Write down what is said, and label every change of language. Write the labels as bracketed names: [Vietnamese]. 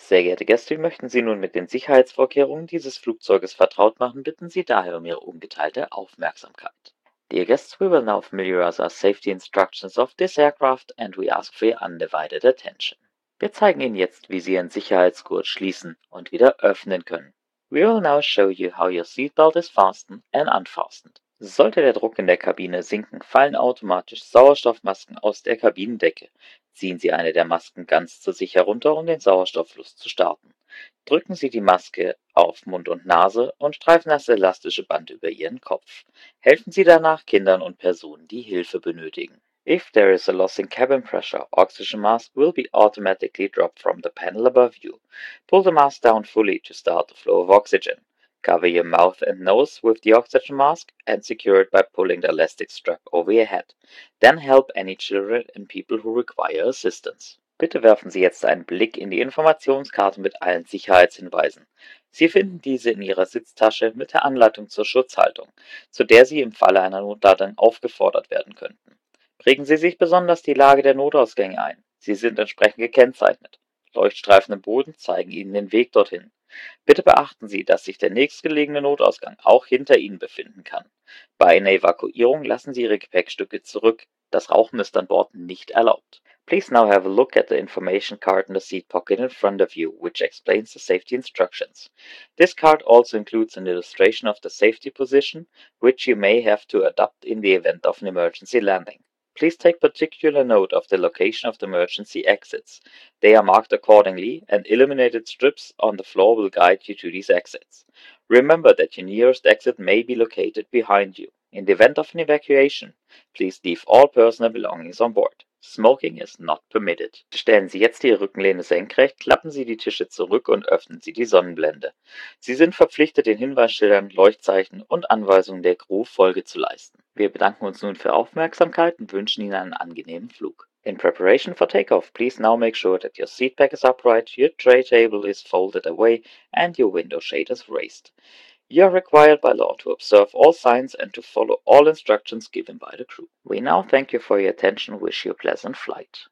[German] Sehr geehrte Gäste, wir möchten Sie nun mit den Sicherheitsvorkehrungen dieses Flugzeuges vertraut machen, bitten Sie daher um Ihre ungeteilte Aufmerksamkeit. [English] Dear guests, we will now familiarize our safety instructions of this aircraft and we ask for your undivided attention. [German] Wir zeigen Ihnen jetzt, wie Sie Ihren Sicherheitsgurt schließen und wieder öffnen können. [English] We will now show you how your seatbelt is fastened and unfastened. [German] Sollte der Druck in der Kabine sinken, fallen automatisch Sauerstoffmasken aus der Kabinendecke. Ziehen Sie eine der Masken ganz zu sich herunter, um den Sauerstofffluss zu starten. Drücken Sie die Maske auf Mund und Nase und streifen das elastische Band über Ihren Kopf. Helfen Sie danach Kindern und Personen, die Hilfe benötigen. [English] If there is a loss in cabin pressure, oxygen mask will be automatically dropped from the panel above you. Pull the mask down fully to start the flow of oxygen. Cover your mouth and nose with the oxygen mask and secure it by pulling the elastic strap over your head. Then help any children and people who require assistance. [German] Bitte werfen Sie jetzt einen Blick in die Informationskarte mit allen Sicherheitshinweisen. Sie finden diese in Ihrer Sitztasche mit der Anleitung zur Schutzhaltung, zu der Sie im Falle einer Notlandung aufgefordert werden könnten. Prägen Sie sich besonders die Lage der Notausgänge ein. Sie sind entsprechend gekennzeichnet. Leuchtstreifen im Boden zeigen Ihnen den Weg dorthin. Bitte beachten Sie, dass sich der nächstgelegene Notausgang auch hinter Ihnen befinden kann. Bei einer Evakuierung lassen Sie Ihre Gepäckstücke zurück. Das Rauchen ist an Bord nicht erlaubt. [English] Please now have a look at the information card in the seat pocket in front of you, which explains the safety instructions. This card also includes an illustration of the safety position, which you may have to adopt in the event of an emergency landing. Please take particular note of the location of the emergency exits. They are marked accordingly, and illuminated strips on the floor will guide you to these exits. Remember that your nearest exit may be located behind you. In the event of an evacuation, please leave all personal belongings on board. Smoking is not permitted. [German] Stellen Sie jetzt die Rückenlehne senkrecht, klappen Sie die Tische zurück und öffnen Sie die Sonnenblende. Sie sind verpflichtet, den Hinweisschildern, Leuchtzeichen und Anweisungen der Crew Folge zu leisten. Wir bedanken uns nun für Ihre Aufmerksamkeit und wünschen Ihnen einen angenehmen Flug. [English] In preparation for takeoff, please now make sure that your seat back is upright, your tray table is folded away and your window shade is raised. You are required by law to observe all signs and to follow all instructions given by the crew. We now thank you for your attention, wish you a pleasant flight.